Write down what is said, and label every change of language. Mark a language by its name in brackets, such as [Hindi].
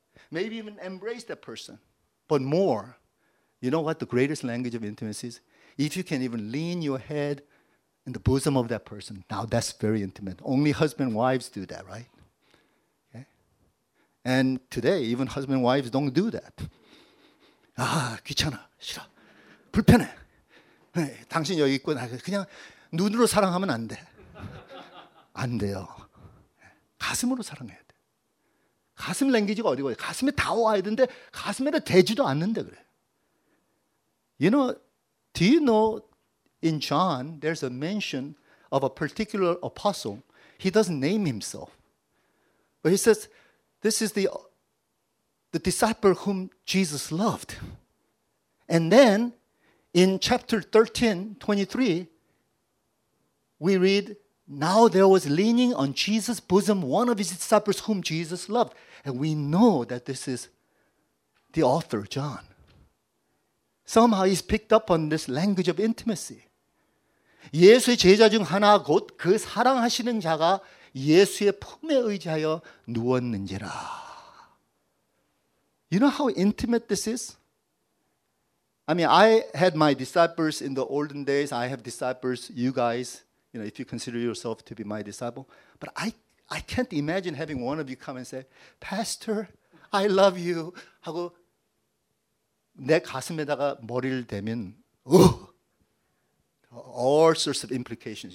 [English] Maybe even embrace that person. But more, you know what the greatest language of intimacy is? If you can even lean your head in the bosom of that person, now that's very intimate. Only husband and wives do that, right? And today, even husband and wives don't do that. [Korean] 아, 귀찮아, 싫어, 불편해. 당신 여기 있고, 그냥 눈으로 사랑하면 안 돼. 안 돼요. 가슴으로 사랑해야 돼. 가슴 랭귀지가 어디고, 가슴에 다 와야 되는데 가슴에도 되지도 않는데 그래. [English] You know, do you know in John, there's a mention of a particular apostle. He doesn't name himself. But he says, this is the disciple whom Jesus loved. And then In chapter 13, 23, we read, now there was leaning on Jesus' bosom one of his disciples whom Jesus loved. And we know that this is the author, John. Somehow he's picked up on this language of intimacy. [Korean] 예수의 제자 중 하나 곧 그 사랑하시는 자가 예수의 품에 의지하여 누웠는지라. [English] You know how intimate this is? I mean, I had my disciples in the olden days. I have disciples, you guys, you know, if you consider yourself to be my disciple. But I can't imagine having one of you come and say, Pastor, I love you. [Korean] 하고 내 가슴에다가 머리를 대면, [English] all sorts of implications.